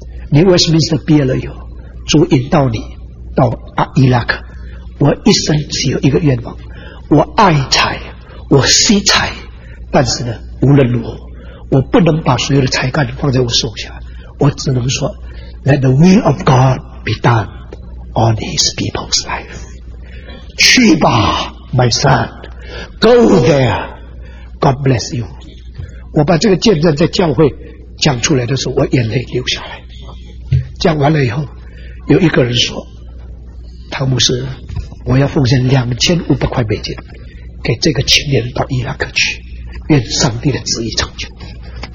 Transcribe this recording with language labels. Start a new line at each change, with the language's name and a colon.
Chinese: 你 Westminster 毕业了以后，主引导你到伊拉克，我一生只有一个愿望，我爱财，我惜财，但是呢，无论如何，我不能把所有的才干放在我手下，我只能说 ，
English: Let the will of God be done on His people's life。
Chinese: 去吧
English: ，my son，go there。 God bless you。”
Chinese: 我把这个见证在教会讲出来的时候，我眼泪流下来。讲完了以后，有一个人说：“汤姆斯，我要奉献2500块美金给这个青年到伊拉克去，愿上帝的旨意成就。”